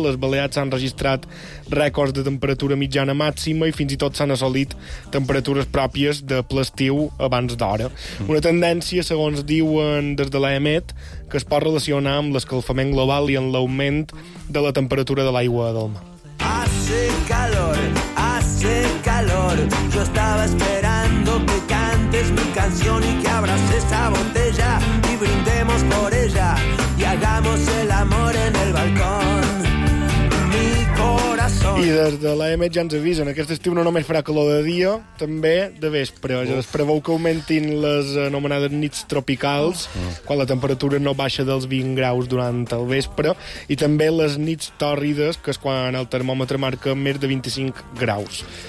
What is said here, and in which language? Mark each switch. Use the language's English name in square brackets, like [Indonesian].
[Catalan] Les Balears han registrat rècords de temperatura mitjana màxima i fins i tot s'han assolit temperatures pròpies de ple estiu abans d'hora. Una tendència, segons diuen des de l'EMET, que es pot relacionar amb l'escalfament global i amb l'augment de la temperatura de l'aigua del mar. [Spanish] Hace calor, hace calor. Yo estaba esperando que cantes mi canción y que abras esa botella y brindemos por ella y hagamos el amor en el balcón. Mi corazón. [Catalan] I des de l'EMET ja ens avisen, aquest estiu no només farà calor de dia, també de vespre. Ja es preveu que augmentin les anomenades nits tropicals, quan la temperatura no baixa dels 20 graus durant el vespre, i també les nits tòrrides, que és quan el termòmetre marca més de 25 graus.